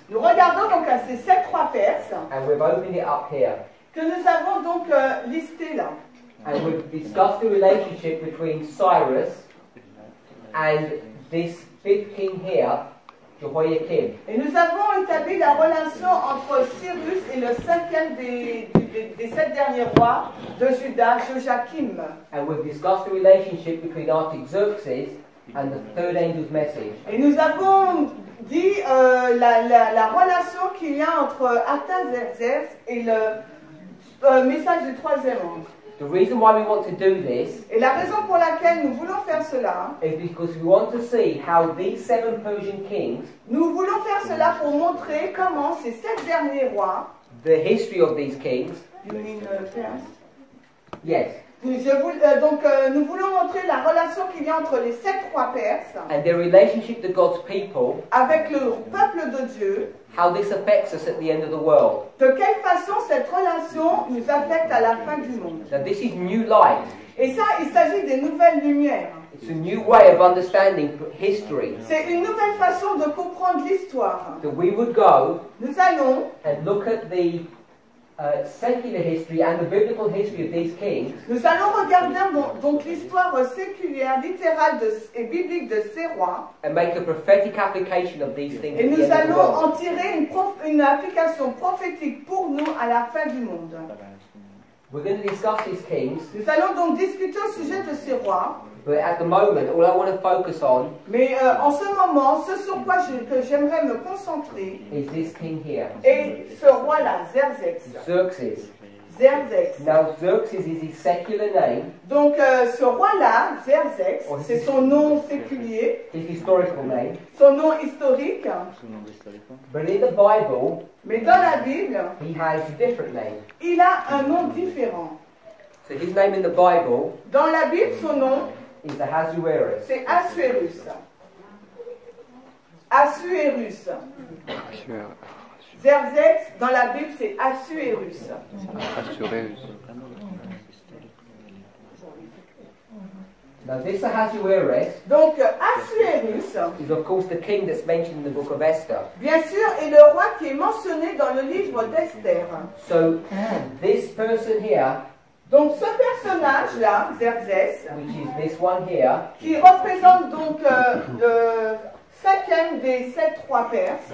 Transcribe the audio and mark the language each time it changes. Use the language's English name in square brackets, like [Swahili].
[French] Nous regardons donc à ces sept rois perses. [English] And we've opened it up here. [French] Que nous avons donc listé là. [English] And we've discussed the relationship between Cyrus and this fifth king here, Jehoiakim. [French] Et nous avons établi la relation entre Cyrus et le cinquième des sept derniers rois de Juda, Joachim. [English] And we've discussed the relationship between Artaxerxes and the third angel's message. [French] Et nous avons dit la relation qu'il y a entre Artaxerxes et le message du troisième ange. [English] The reason why we want to do this, [French] et la raison pour laquelle nous voulons faire cela, [English] is because we want to see how these seven Persian kings, [French] nous voulons faire cela pour montrer comment ces sept derniers rois, [English] the history of these kings, you mean Perse? Yes. [French] Nous voulons montrer la relation qu'il y a entre les sept rois perses, [English] and their relationship to God's people, [French] avec le peuple de Dieu, [English] how this affects us at the end of the world. [French] De quelle façon cette relation nous affecte à la fin du monde. [English] Now this is new light. [French] Et ça, il s'agit des nouvelles lumières. [English] It's a new way of understanding history. [French] C'est une nouvelle façon de comprendre l'histoire. [English] So we would go, [French] nous allons, [English] and look at the secular history and the biblical history of these kings. [French] Nous allons regarder donc l'histoire séculière, littérale et biblique de ces rois. [English] And make a prophetic application of these things. [French] Et nous allons en tirer une application prophétique pour nous à la fin du monde. [English] We're going to discuss these kings. [French] Nous allons donc discuter au sujet de ces rois. [English] But at the moment, all I want to focus on. [French] Mais en ce moment, ce sur quoi j'aimerais me concentrer. [English] Is this king here? [French] Et ce roi-là, Xerxes. [English] Xerxes. [French] Xerxes. [English] Now Xerxes is his secular name. [French] Donc ce roi-là, Xerxes, c'est son nom séculier. [English] His historical name. [French] Son nom historique. [English] But in the Bible. [French] Mais dans la Bible. [English] He has a different name. [French] Il a un nom différent. [English] So his name in the Bible, [French] dans la Bible, son nom, [English] is Ahasuerus. [French] C'est Ahasuerus. Ahasuerus. Xerxes, dans la Bible, c'est Ahasuerus. [English] Ahasuerus. Now this Ahasuerus, [French] donc Ahasuerus, [English] is of course the king that's mentioned in the book of Esther. [French] Bien sûr, est le roi qui est mentionné dans le livre d'Esther. [English] So this person here, [French] donc ce personnage-là, Xerxes, [English] which is this one here, [French] qui représente donc le cinquième des sept rois perses,